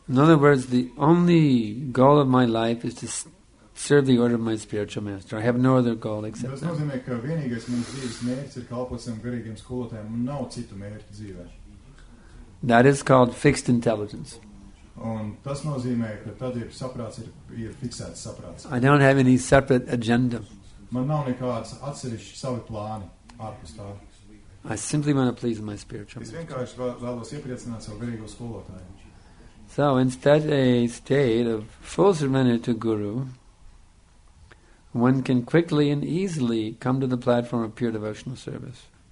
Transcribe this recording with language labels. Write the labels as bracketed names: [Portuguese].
[English] In other words, the only goal of my life is to serve the order of my spiritual master. I have no other goal except that. [Latvian] Tas nozīmē, ka vienīgais mums dzīves mērķis ir kalpot savam garīgiem skolotājiem un nav citu mērķu dzīvē. [English] That is called fixed intelligence. [Latvian] Un tas nozīmē, ka tad ir saprāts, ir fiksēts saprāts. [English] I don't have any separate agenda. [Latvian] Man nav nekādas atsevišķas savi plāni ārpus tā. [English] I simply want to please my spiritual master. [Latvian] Es vienkārši vēlos iepriecināt savu garīgo skolotāju. [English] So instead a state of full surrender to guru, one can quickly and easily come to the platform of pure devotional service.